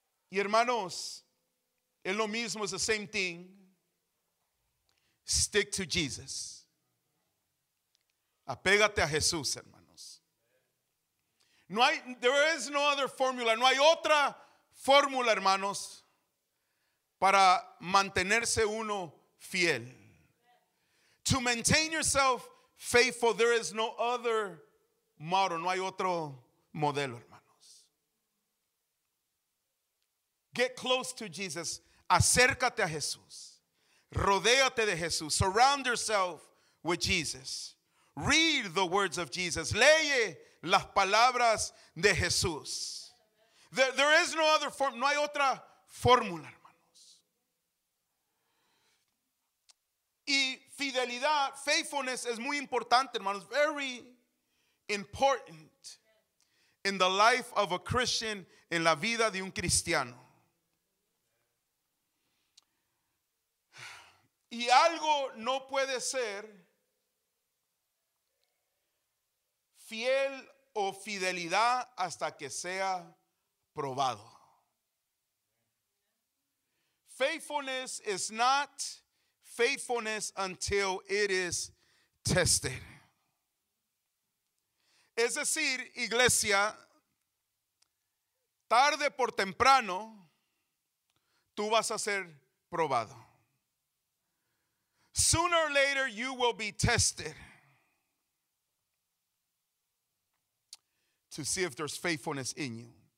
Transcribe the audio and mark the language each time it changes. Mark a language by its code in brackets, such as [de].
[es] Y hermanos, es lo mismo, [en] it's the same thing. Stick to Jesus. [es] Apégate a Jesús, hermanos. No hay, [en] there is no other formula. [es] No hay otra fórmula, hermanos, para mantenerse uno fiel. [en] To maintain yourself faithful, there is no other model. [es] No hay otro modelo, hermanos. [en] Get close to Jesus. [es] Acércate a Jesús. Rodéate de Jesús. [en] Surround yourself with Jesus. Read the words of Jesus. [es] Lee las palabras de Jesús. [en] There is no other form. [es] No hay otra fórmula, hermanos. Y fidelidad, faithfulness, es muy importante, hermanos. [en] Very important in the life of a Christian, [es] en la vida de un cristiano. Y algo no puede ser fiel o fidelidad hasta que sea probado. [en] Faithfulness is not faithfulness until it is tested. [es] Es decir, iglesia, tarde por temprano, tú vas a ser probado. [en] Sooner or later, you will be tested to see if there's faithfulness in you.